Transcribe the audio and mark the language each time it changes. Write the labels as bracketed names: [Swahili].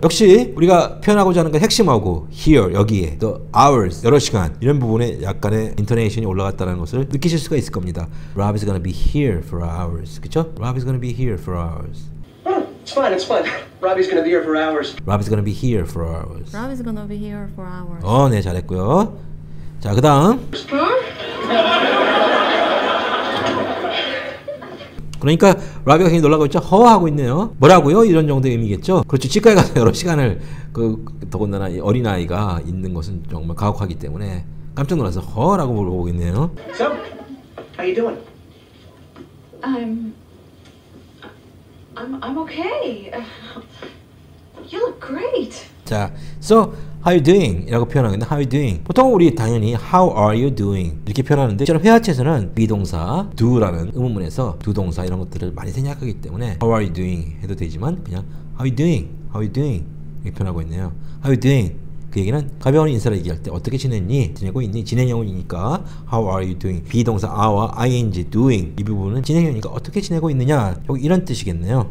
[Korean] 역시 우리가 표현하고자 하는 건 핵심하고 here, 여기에 또 hours, 여러 시간 이런 부분에 약간의 intonation이 올라갔다는 것을 느끼실 수가 있을 겁니다. [English] Robbie's gonna be here for hours. [Korean] 그렇죠? Robbie's gonna be here for hours. [English] It's fine. Robbie's gonna be here for hours. Robbie's gonna be here for hours. Robbie's gonna be here for hours. [Korean] 어, 네, 잘했고요. 자, 그다음. Huh? 그러니까 라비가 굉장히 놀라고 있죠. 허하고 있네요. 뭐라고요? 이런 정도의 의미겠죠. 그렇죠. 치과에 가서 여러 시간을 그 더군다나 어린 아이가 있는 것은 정말 가혹하기 때문에 깜짝 놀라서 허라고 물어보고 있네요. [English] So, how you doing? I'm okay. You look great. 자, so. How are you doing? [Korean] 이라고 표현하는데 [English] How are you doing? [Korean] 보통 우리 당연히 [English] How are you doing? [Korean] 이렇게 표현하는데 실제로 회화체에서는 비동사 do라는 의문문에서 do 동사 이런 것들을 많이 생략하기 때문에 [English] How are you doing? [Korean] 해도 되지만 그냥 [English] How are you doing? How are you doing? [Korean] 이렇게 표현하고 있네요. [English] How are you doing? [Korean] 그 얘기는 가벼운 인사를 얘기할 때 어떻게 지냈니? 지내고 있니? 진행형이니까 [English] How are you doing? [Korean] 비동사 are, ing, doing 이 부분은 진행형이니까 어떻게 지내고 있느냐 이런 뜻이겠네요.